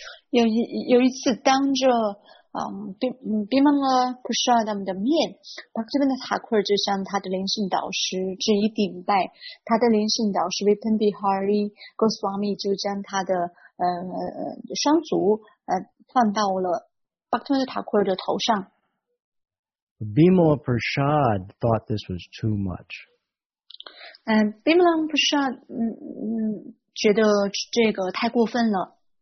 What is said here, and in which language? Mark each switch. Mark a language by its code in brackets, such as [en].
[zh] 有一次当着Bimala Prasad 的面 Bhaktivinoda Thakur 就向他的灵性导师致以顶拜他的灵性导师 Bipin Bihari Goswami 就将他的双足放到了 Bhaktivinoda Thakur 的头上 [en] Bimala Prasad thought this was too much. [zh] Bimala Prasad, 觉得这个太过分了。